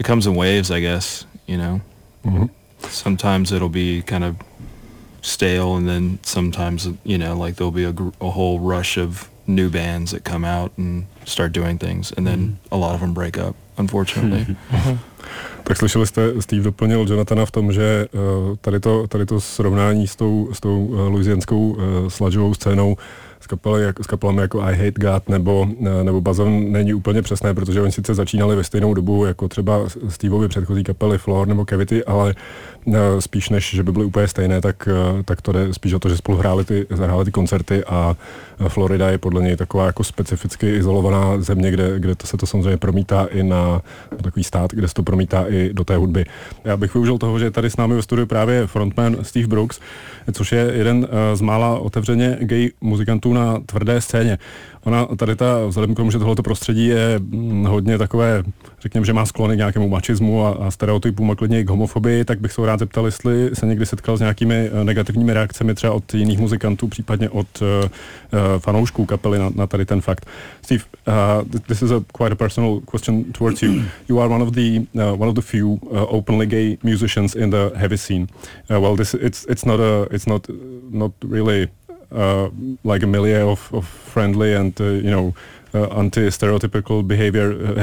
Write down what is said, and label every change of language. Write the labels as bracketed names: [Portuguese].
[English] It comes in waves, I guess, you know. Mm-hmm. Sometimes it'll be kind of stale, and then sometimes, you know, like there'll be a whole rush of new bands that come out and start doing things, and then mm-hmm. a lot of them break up, unfortunately. [Czech] Tak slyšeli jste, Steve doplnil Jonathana v tom, že tady to srovnání s tou louisianskou sludgeovou scénou s kapelami jako I Hate God nebo Bazon není úplně přesné, protože oni sice začínali ve stejnou dobu jako třeba Steveovi předchozí kapely Floor nebo Cavity, ale spíš než, že by byly úplně stejné, tak to jde spíš o to, že spolu zahráli ty koncerty a Florida je podle něj taková jako specificky izolovaná země, kde to se to samozřejmě promítá i na takový stát, kde se to promítá i do té hudby. Já bych využil toho, že tady s námi ve studiu právě frontman Steve Brooks, což je jeden z mála otevřeně gay muzikantů na tvrdé scéně. Ona tady ta, vzhledem k tomu, že tohleto prostředí je hodně takové, řekněme, že má sklony k nějakému mačismu a stereotypům a klidně i k homofobii, tak bych se rád zeptal, jestli se někdy setkal s nějakými negativními reakcemi třeba od jiných muzikantů, případně od fanoušků kapely na tady ten fakt. [English] Steve, this is quite a personal question towards you. You are one of the few openly gay musicians in the heavy scene. Well, it's not really like a milieu of friendly and you know anti-stereotypical behavior.